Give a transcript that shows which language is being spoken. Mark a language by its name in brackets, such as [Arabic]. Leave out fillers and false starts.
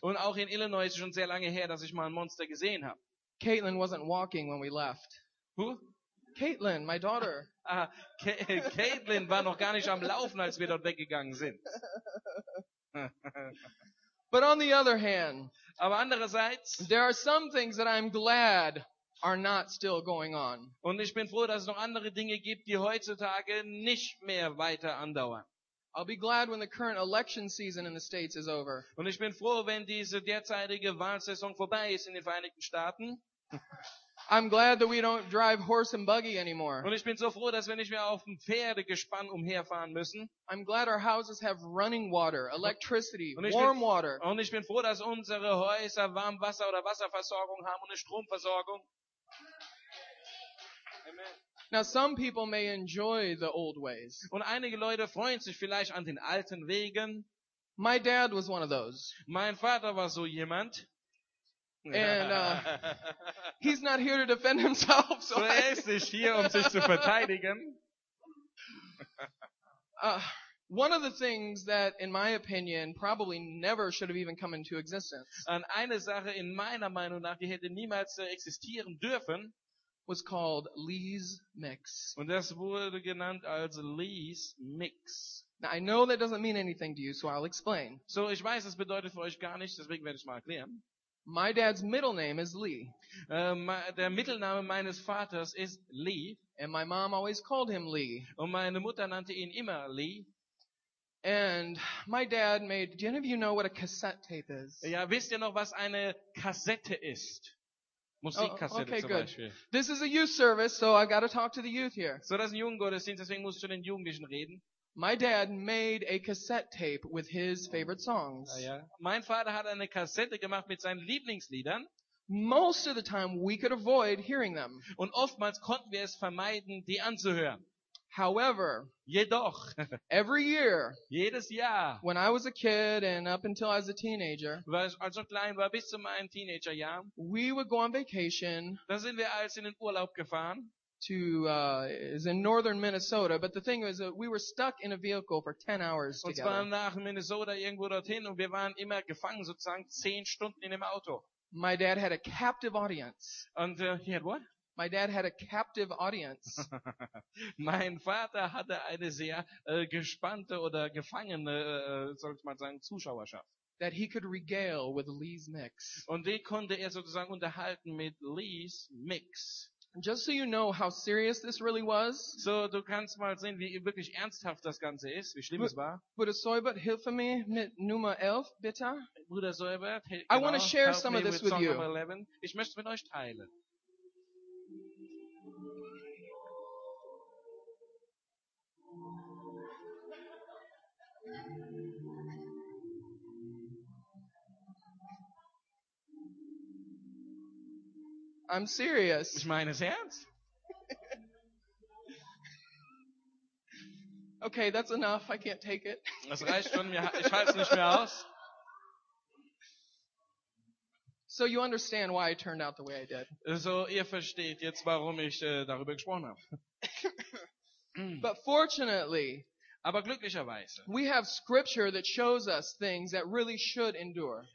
[German] Und auch in Illinois ist es schon sehr lange her, dass ich mal ein Monster gesehen habe. [English] Caitlin wasn't walking when we left. Who? Caitlin, my daughter. [German] Ah, Caitlin war noch gar nicht am Laufen, als wir dort weggegangen sind. [English] But on the other hand, [German] aber andererseits, [English] there are some things that I'm glad are not still going on. [German] Und ich bin froh, dass es noch andere Dinge gibt, die heutzutage nicht mehr weiter andauern. [English] I'll be glad when the current election season in the States is over. [German] Und ich bin froh, wenn diese derzeitige Wahlsaison vorbei ist in den Vereinigten Staaten. [English] I'm glad that we don't drive horse and buggy anymore. [German] Und ich bin so froh, dass wir nicht mehr auf dem Pferdegespann umherfahren müssen. [English] I'm glad our houses have running water, electricity, warm water. [German] Und ich bin froh, dass unsere Häuser Warmwasser oder Wasserversorgung haben und eine Stromversorgung. [English] Amen. Now some people may enjoy the old ways. [German] Und einige Leute freuen sich vielleicht an den alten Wegen. [English] My dad was one of those. [German] Mein Vater war so jemand. [English] And he's not here to defend himself. So [German] er ist nicht hier, um sich zu verteidigen. [English] One of the things that, in my opinion, probably never should have even come into existence. [German] Und eine Sache in meiner Meinung nach, die hätte niemals existieren dürfen, [English] was called Lee's Mix. [German] Und das wurde genannt als Lee's Mix. [English] Now I know that doesn't mean anything to you, so I'll explain. [German] So ich weiß, das bedeutet für euch gar nichts, deswegen werde ich mal erklären. [English] My dad's middle name is Lee. [German] Der Mittelname meines Vaters ist Lee. [English] And my mom always called him Lee. [German] Und meine Mutter nannte ihn immer Lee. [English] And my dad made, do any of you know what a cassette tape is? [German] Ja, wisst ihr noch, was eine Kassette ist? Musikkassette [English] okay, [German] zum [English] good. [German] Beispiel. [English] This is a youth service, so I've got to talk to the youth here. [German] So, das ist ein Jugendgottesdienst, deswegen musst du zu den Jugendlichen reden. [English] My dad made a cassette tape with his favorite songs. [German] Ja, ja. Mein Vater hat eine Kassette gemacht mit seinen Lieblingsliedern. [English] Most of the time we could avoid hearing them. [German] Und oftmals konnten wir es vermeiden, die anzuhören. [English] However, [German] jedoch, [English] every year, [German] jedes Jahr, [English] when I was a kid and up until I was a teenager, [German] als ich klein war bis zu meinem Teenagerjahr, [English] we would go on vacation. [German] Da sind wir als in den Urlaub gefahren. [English] Is in northern Minnesota, but the thing is that we were stuck in a vehicle for 10 hours [German] und [English] together. [German] Und zwar nach Minnesota irgendwo dorthin und wir waren immer gefangen sozusagen 10 Stunden in dem Auto. [English] My dad had a captive audience. Und he had what? My dad had a captive audience. [German] Mein Vater hatte eine sehr gespannte oder gefangene, soll ich mal sagen, Zuschauerschaft. [English] That he could regale with Lee's Mix. [German] Und die konnte er sozusagen unterhalten mit Lee's Mix. [English] Just so you know how serious this really was. [German] So du kannst mal sehen, wie wirklich ernsthaft das Ganze ist, wie schlimm es war. Bruder Seubert, hilf mir mit Nummer 11, bitte. Bruder Seubert, [English] I want to share some of this with you. [German] Ich möchte mit euch teilen. [English] I'm serious. [German] Ich meine es ernst. [English] Okay, that's enough. I can't take it. [German] Das reicht schon. Ich halte es nicht mehr aus. [English] So you understand why I turned out the way I did. [German] So ihr versteht jetzt, warum ich darüber gesprochen habe. [English] But fortunately, [German] aber glücklicherweise, [English] we have scripture that shows us things that really should endure.